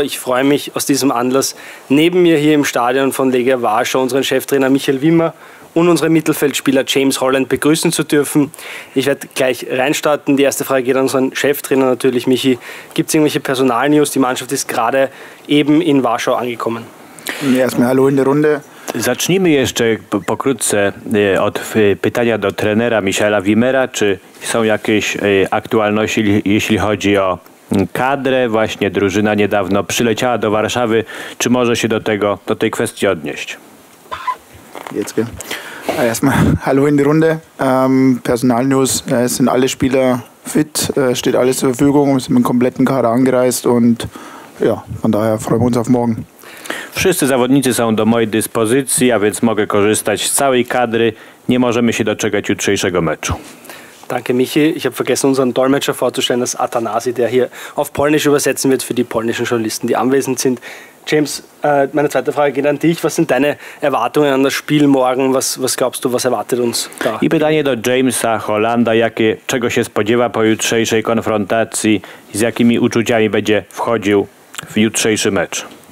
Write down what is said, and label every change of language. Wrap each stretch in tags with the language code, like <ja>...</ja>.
<de>Ich freue mich aus diesem Anlass, neben mir hier im Stadion von Legia Warschau unseren Cheftrainer Michael Wimmer und unseren Mittelfeldspieler James Holland begrüßen zu dürfen. Ich werde gleich reinstarten. Die erste Frage geht an unseren Cheftrainer natürlich, Michi. Gibt es irgendwelche Personalnews? Die Mannschaft ist gerade eben in Warschau angekommen. Erstmal hallo in der Runde.</de> <pl>Zacznijmy jeszcze pokrótce od pytania do trenera Michaela Wimmera, czy są jakieś aktualności, jeśli chodzi o kadrę, właśnie drużyna niedawno przyleciała do Warszawy, czy może się do tej kwestii odnieść?</pl> <de>Erstmal hallo in die Runde. Personalnews, sind alle Spieler fit, steht alles zur Verfügung, wir sind mit dem kompletten Kader angereist und ja, von daher freuen wir uns auf morgen.</de> <pl>Wszyscy zawodnicy są do mojej dyspozycji, a więc mogę korzystać z całej kadry. Nie możemy się doczekać jutrzejszego meczu.</pl> <de>Danke, Michi. Ich habe vergessen, unseren Dolmetscher vorzustellen, das Atanasi, der hier auf Polnisch übersetzen wird für die polnischen Journalisten, die anwesend sind. James, meine zweite Frage geht an dich. Was sind deine Erwartungen an das Spiel morgen? Was glaubst du, was erwartet uns da?</de> <pl>I pytanie do Jamesa Hollanda. Czego się spodziewa po jutrzejszej konfrontacji? Z jakimi uczuciami będzie wchodził w jutrzejszy mecz?</pl>